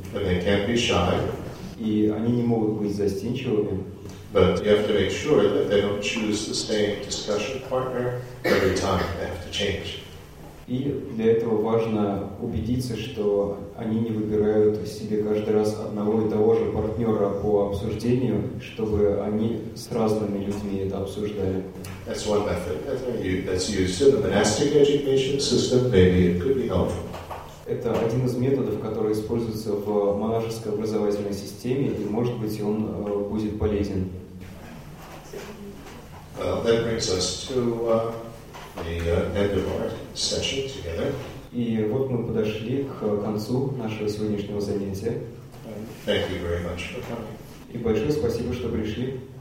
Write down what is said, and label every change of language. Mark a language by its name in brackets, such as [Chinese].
[English] But they can't be shy. [Russian] И они не могут быть застенчивыми. [English] But you have to make sure that they don't choose the same discussion partner every time. They have to change. [Russian] И для этого важно убедиться, что они не выбирают себе каждый раз одного и того же партнера по обсуждению, чтобы они с разными людьми это обсуждали. [English] That's one method that's used in the monastic education system. Maybe it could be helpful. [Russian] Это один из методов, который используется в монашеской образовательной системе, и, может быть, он будет полезен. [English] Well, that brings us to the end of our session together. [Russian] И вот мы подошли к концу нашего сегодняшнего занятия. [English] Thank you very much for coming. [Russian] И большое спасибо, что пришли.